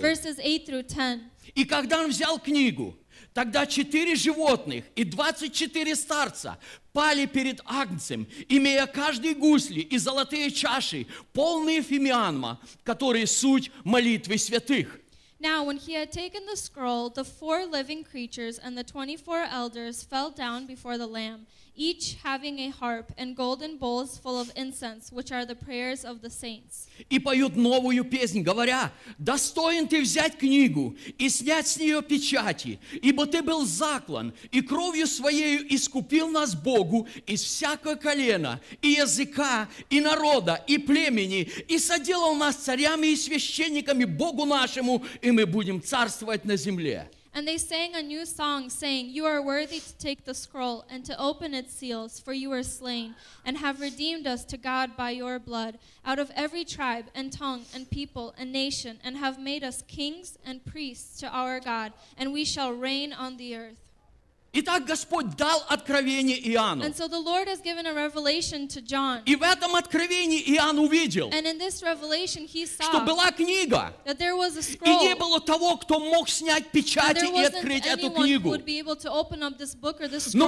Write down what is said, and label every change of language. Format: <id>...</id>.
<en>Verses 8 through 10.</en> <ru>И когда он взял книгу, тогда четыре животных и 24 старца пали перед Агнцем, имея каждый гусли и золотые чаши, полные фимиама, которые суть молитвы святых.</ru> <en>Now, when he had taken the scroll, the four living creatures and the 24 elders fell down before the Lamb, each having a harp and golden bowls full of incense, which are the prayers of the saints.</en> <ru>И поют новую песнь, говоря, «Достоин ты взять книгу и снять с нее печати, ибо ты был заклан, и кровью своею искупил нас Богу из всякого колена, и языка, и народа, и племени, и соделал нас царями и священниками Богу нашему, и мы будем царствовать на земле».</ru> <en>And they sang a new song, saying, You are worthy to take the scroll and to open its seals, for you were slain and have redeemed us to God by your blood out of every tribe and tongue and people and nation and have made us kings and priests to our God, and we shall reign on the earth.</en> <ru>Итак, Господь дал откровение Иоанну.</ru> <en>And so the Lord has given a revelation to John.</en> <ru>И в этом откровении Иоанн увидел,</ru> <en>And in this revelation he saw,</en> <ru>что была книга,</ru> <en>that there was a scroll,</en> <ru>и не было того, кто мог снять печати и открыть эту книгу.</ru> <en>Would be able to open up this book or this scroll.</en>